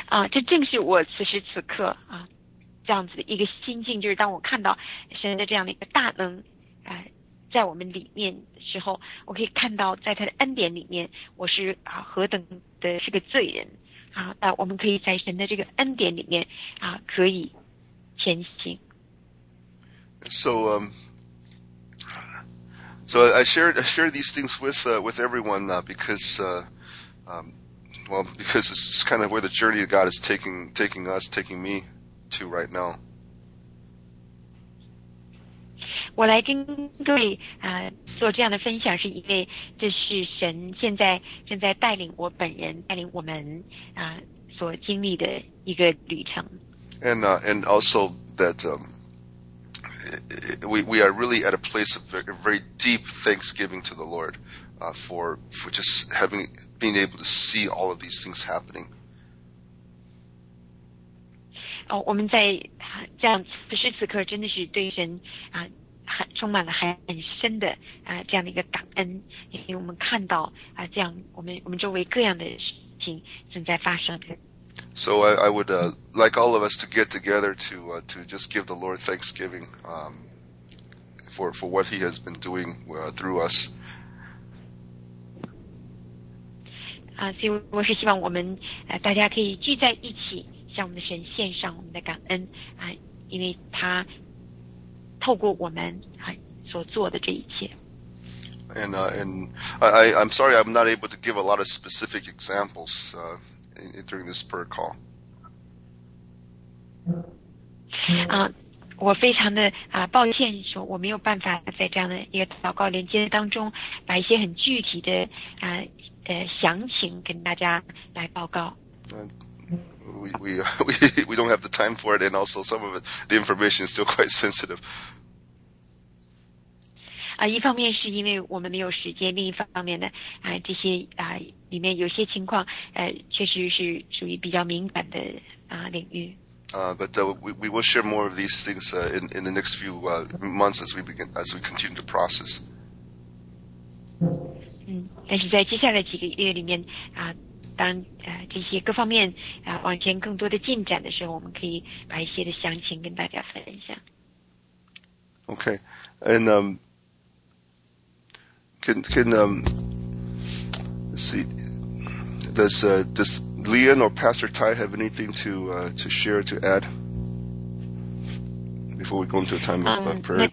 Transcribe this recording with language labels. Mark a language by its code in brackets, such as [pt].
[zh] 这正是我此时此刻这样子的一个心境，就是当我看到神的这样的一个大能在我们里面的时候，我可以看到在他的恩典里面我是何等的是个罪人但我们可以在神的这个恩典里面可以前行。 [en] So I shared these things with everyone because Well, because this is kind of where the journey of God is taking us, taking me to right now. [zh] 我来跟各位做这样的分享，是因为这是神现在正在带领我本人，带领我们所经历的一个旅程。 [en] And also that we are really at a place of a very deep thanksgiving to the Lord for just being able to see all of these things happening. [zh] 我们在这样此时此刻真的是对神充满了很深的这样的一个感恩，因为我们看到这样我们周围各样的事情正在发生。 [en] So I would like all of us to get together to just give the Lord thanksgiving for what He has been doing through us. [zh] 所以我是希望我们大家可以聚在一起，向我们的神献上我们的感恩因为他透过我们所做的这一切。 [en] And I'm sorry I'm not able to give a lot of specific examples during this prayer call. [zh] 我非常的抱歉，说我没有办法在这样的一个祷告连接当中把一些很具体的详情跟大家来报告。 [en] We don't have the time for it, and also some of it, the information is still quite sensitive. [zh] 一方面是因为我们没有时间，另一方面呢，这些里面有些情况，确实是属于比较敏感的领域。 [en] But we will share more of these things in the next few months as we continue to process. [zh] 但是在接下来几个月里面当这些各方面往前更多的进展的时候，我们可以把一些的详情跟大家分享。 [en] Okay, and can let's see, does Leon or Pastor Ty have anything to share to add before we go into a time of prayer?